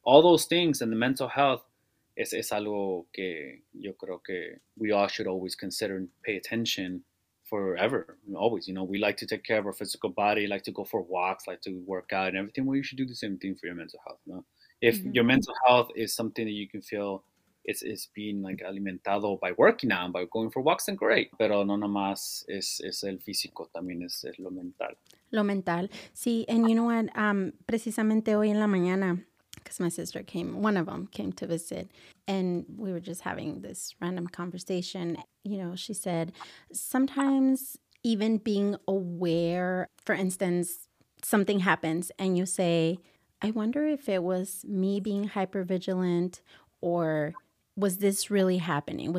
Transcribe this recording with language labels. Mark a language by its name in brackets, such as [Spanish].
[English] All those things and the mental health, [Spanish] es algo que yo creo que [English] we all should always consider and pay attention forever, always. You know, we like to take care of our physical body, like to go for walks, like to work out and everything. Well, you should do the same thing for your mental health. You know? If your mental health is something that you can feel it's being like alimentado by working out, by going for walks, then great. [Spanish] Pero no nomás es el físico, también es lo mental. Lo mental. Sí, [English] and you know what? [Spanish] Precisamente hoy en la mañana, [English] because my sister came, one of them came to visit, and we were just having this random conversation. You know, she said, sometimes even being aware, for instance, something happens and you say, I wonder if it was me being hypervigilant or was this really happening?